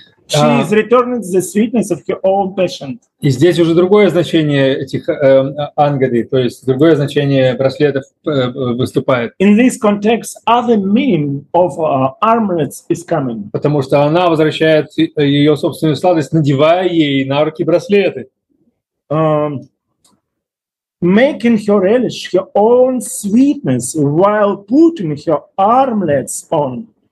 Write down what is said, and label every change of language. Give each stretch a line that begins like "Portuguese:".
English: She is returning the sweetness of her own passion.
Russian: И здесь уже другое значение этих ангады, то есть другое значение браслетов выступает.
English: In this context, other meaning of armlets is coming.
Russian: Потому что она возвращает ее собственную сладость, надевая ей на руки браслеты.
English: Making her relish her own sweetness while putting her armlets on.